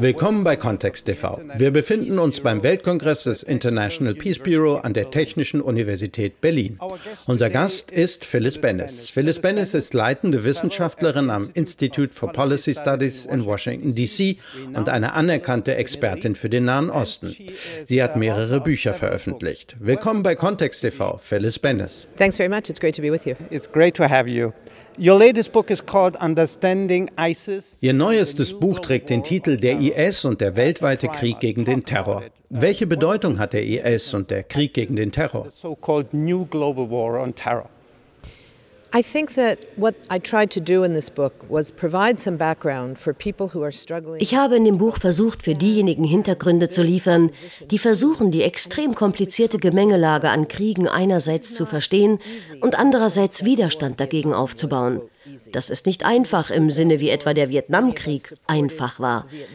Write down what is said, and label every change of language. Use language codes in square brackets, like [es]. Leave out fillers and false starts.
[de] Willkommen bei Context TV. Wir befinden uns beim Weltkongress des International Peace Bureau an der Technischen Universität Berlin. Unser Gast ist Phyllis Bennis. Phyllis Bennis ist leitende Wissenschaftlerin am Institute for Policy Studies in Washington, D.C. und eine anerkannte Expertin für den Nahen Osten. Sie hat mehrere Bücher veröffentlicht. Willkommen bei Context TV, Phyllis Bennis. [en] Thanks very much. It's great to be with you. It's great to have you. Your latest book is called Understanding ISIS. [de] Ihr neuestes Buch trägt den Titel Der IS und der weltweite Krieg gegen den Terror. Welche Bedeutung hat der IS und der Krieg gegen den Terror? [en] The so-called New Global War on Terror. I think that what I tried to do in this book was provide some background for people who are struggling. [de] Ich habe in dem Buch versucht, für diejenigen Hintergründe zu liefern, die versuchen, die extrem komplizierte Gemengelage an Kriegen einerseits zu verstehen und andererseits Widerstand dagegen aufzubauen. Das ist nicht einfach im Sinne, wie etwa der Vietnamkrieg einfach war.